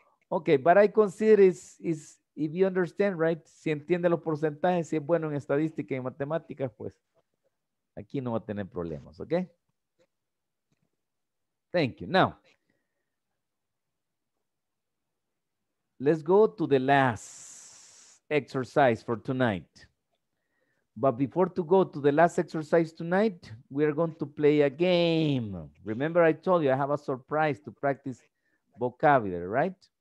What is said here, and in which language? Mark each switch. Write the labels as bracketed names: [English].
[English] Okay, but I consider is if you understand, right? [Spanish] Si entiende los porcentajes, si es bueno en estadística y matemáticas, pues aquí no va a tener problemas, okay? [English] Thank you. Now, let's go to the last exercise for tonight. But before to go to the last exercise tonight, we are going to play a game. Remember I told you I have a surprise to practice vocabulary, right?